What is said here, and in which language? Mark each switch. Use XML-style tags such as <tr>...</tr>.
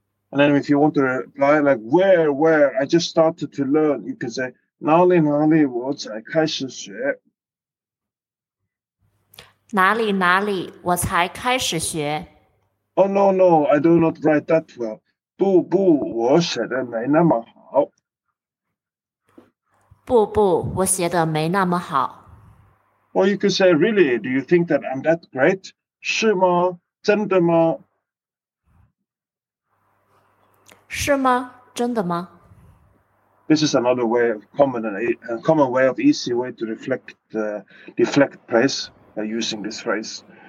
<en>And then if you want to reply like where, I just started to learn, you can say</en> <zh>哪里哪里我才开始学。哪里哪里, 我才开始学。</zh> <en>Oh, no, no, I do not write that well.</en> <zh>不不, 我写的没那么好。不不, 我写的没那么好。Or</zh> <en>you could say, really, do you think that I'm that great?</en> <zh>是吗?真的吗? 是吗?真的吗?</zh> <en>This is another way of common way of easy way to deflect praise by using this phrase.</en>